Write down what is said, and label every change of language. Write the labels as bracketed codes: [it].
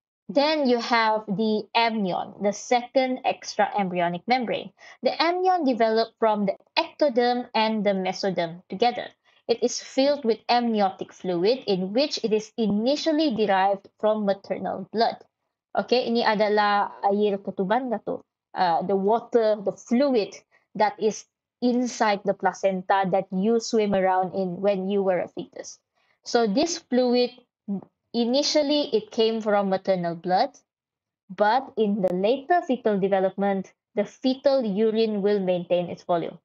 [en] Then you have the amnion, the second extraembryonic membrane. The amnion developed from the ectoderm and the mesoderm together. It is filled with amniotic fluid in which it is initially derived from maternal blood. [ms] Okay, ini adalah air ketuban gak tuh? [en] The water, the fluid that is inside the placenta that you swim around in when you were a fetus. So this fluid, initially, it came from maternal blood, but in the later fetal development, the fetal urine will maintain its volume.